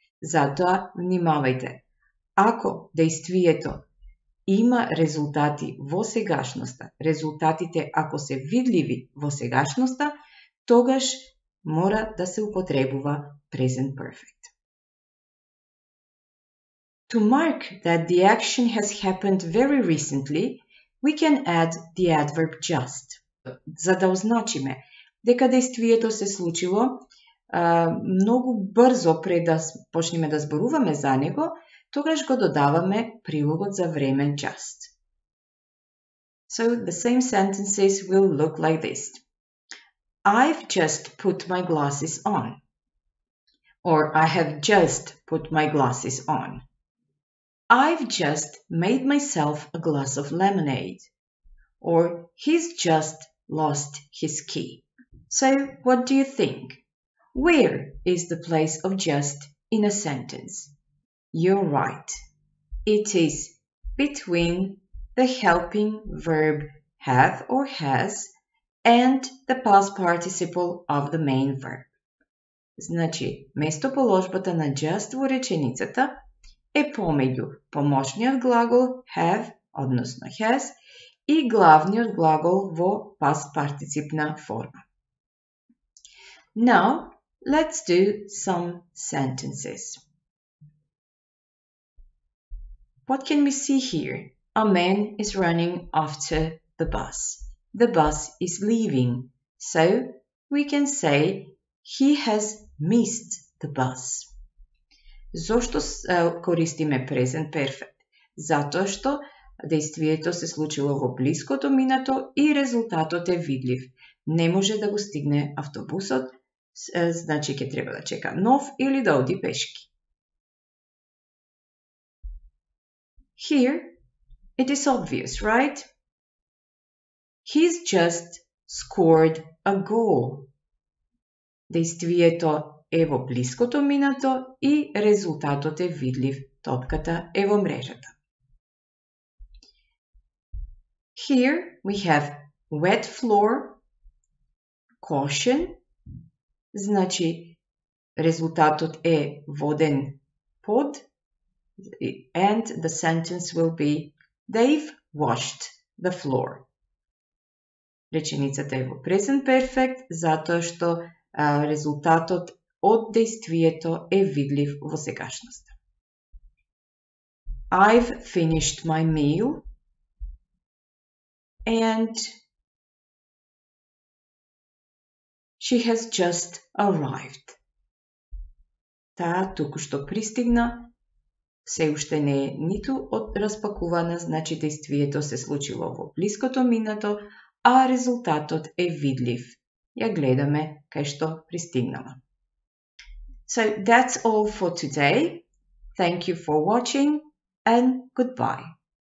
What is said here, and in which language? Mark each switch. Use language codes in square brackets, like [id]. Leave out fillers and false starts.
[mk] Затоа, внимавајте, ако действието има резултати во сегашноста, резултатите ако се видливи во сегашноста, тогаш мора да се употребува present perfect. [en] To mark that the action has happened very recently, we can add the adverb just. [mk] За да означиме дека действието се случило многу брзо пред да почнеме да зборуваме за него, тогаш го додаваме прилогот за време just. [en] So the same sentences will look like this. I've just put my glasses on. Or I have just put my glasses on. I've just made myself a glass of lemonade. Or he's just lost his key. So what do you think? Where is the place of just in a sentence? You're right. It is between the helping verb have or has and the past participle of the main verb. [mk] Значи, местоположбата на just во реченицата е помеѓу помошниот глагол have, односно has, и главниот глагол во past participna форма. [en] Now, let's do some sentences. What can we see here? A man is running after the bus. The bus is leaving. So, we can say he has missed the bus. [mk] Зошто користиме present perfect? Затоа што действието се случило во блиското минато и резултатот е видлив. Не може да го стигне автобусот, значи ќе треба да чека нов или да оди пешки. [en] Here, it is obvious, right? He's just scored a goal. [mk] Действието е во блиското минато и резултатот е видлив. Топката е во мрежата. [en] Here we have wet floor, caution. [mk] Значи, резултатот е воден под. [en] And the sentence will be, they've washed the floor. [mk] Реченицата е во present perfect, затоа што резултатот од действието е видлив во сегашноста. [en] I've finished my meal. And she has just arrived. [mk] Таа току-што пристигна. Се уште не е ниту распакувана, значи действието се случило во блиското минато, а резултатот е видлив. Ја гледаме кај што пристигнала. [en] So that's all for today. Thank you for watching and goodbye.